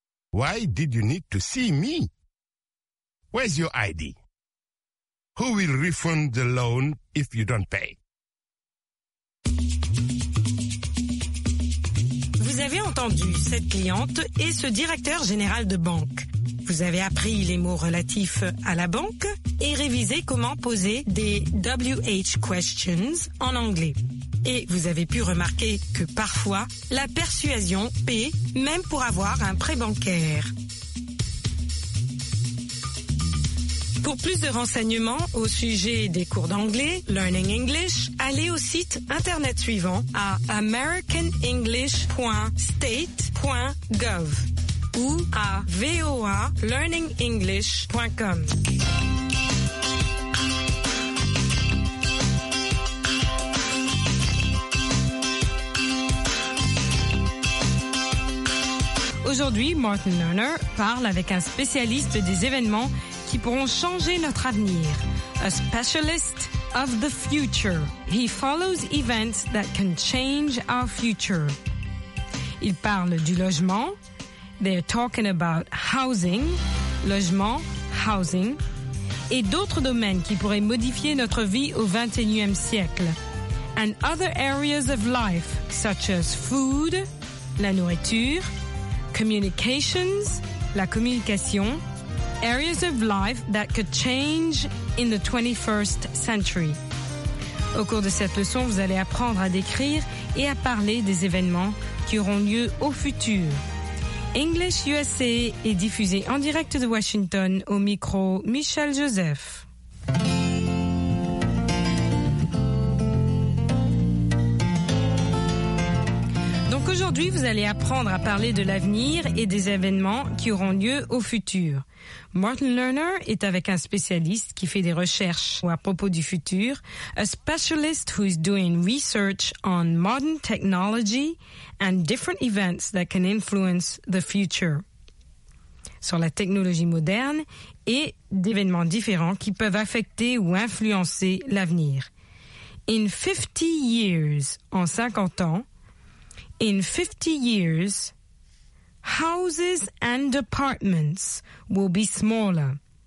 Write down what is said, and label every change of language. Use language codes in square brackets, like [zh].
[en] Why did you need to see me? Where's your ID? Who will refund the loan if you don't pay? [fr] Vous avez entendu cette cliente et ce directeur général de banque. Vous avez appris les mots relatifs à la banque et révisé comment poser des WH questions en anglais. Et vous avez pu remarquer que parfois, la persuasion paie même pour avoir un prêt bancaire. Pour plus de renseignements au sujet des cours d'anglais, Learning English, allez au site internet suivant à americanenglish.state.gov ou à voalearningenglish.com. Aujourd'hui, Martin Lerner parle avec un spécialiste des événements qui pourront changer notre avenir. [en] A specialist of the future. He follows events that can change our future. [fr] Il parle du logement. [en] They're talking about housing. [fr] Logement, housing. Et d'autres domaines qui pourraient modifier notre vie au 21e siècle. [en] And other areas of life, such as food, [fr] la nourriture, [en] communications, [fr] la communication, [en] areas of life that could change in the 21st century. [fr] Au cours de cette leçon, vous allez apprendre à décrire et à parler des événements qui auront lieu au futur. English USA est diffusé en direct de Washington au micro Michel Joseph. Donc aujourd'hui, vous allez apprendre à parler de l'avenir et des événements qui auront lieu au futur. Martin Lerner est avec un spécialiste qui fait des recherches à propos du futur, [en] a specialist who is doing research on modern technology and different events that can influence the future. [fr] Sur la technologie moderne et d'événements différents qui peuvent affecter ou influencer l'avenir. [en] In 50 years, [fr] en 50 ans, [en] in 50 years, houses and apartments will be smaller.